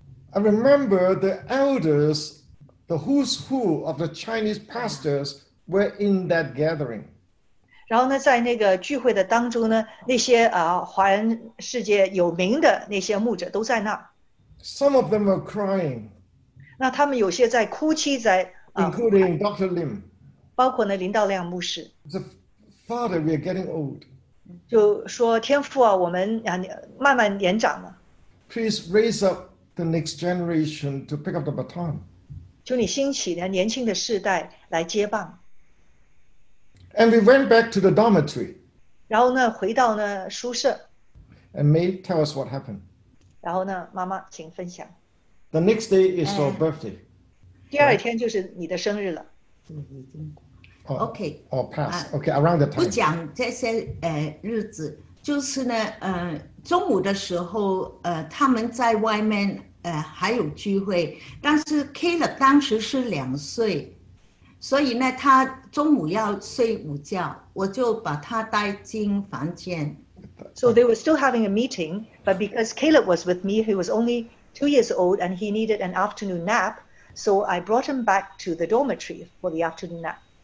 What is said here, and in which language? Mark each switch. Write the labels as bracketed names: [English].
[English] I remember the elders, the who's who of the Chinese pastors were in that gathering. [Chinese] 然后呢，在那个聚会的当中呢，那些华人世界有名的那些牧者都在那。 [English] Some of them were crying. [Chinese] 那他们有些在哭泣，在 [English] Including Dr. Lim. [Chinese] 包括呢林道亮牧师。 [English] The Father, we are getting old. [Chinese] 就说天父啊，我们慢慢年长了。 [English] Please raise up the next generation to pick up the baton. [Chinese] 求你兴起呢年轻的世代来接棒。 [English] And we went back to the dormitory. [Chinese] 然后呢，回到呢宿舍。 [English] And May, tell us what happened. [Chinese] 然后呢，妈妈，请分享。 [English] The next day is your birthday. [Chinese] 第二天就是你的生日了。 [English] Oh, okay. Or past. Okay, around the time. [Chinese] 不讲这些日子，就是呢，中午的时候，他们在外面还有聚会，但是 Caleb 当时是两岁。所以呢，他中午要睡午觉，我就把他带进房间。 [English] So they were still having a meeting, but because Caleb was with me, he was only 2 years old, and he needed an afternoon nap, So I brought him back to the dormitory for the afternoon nap.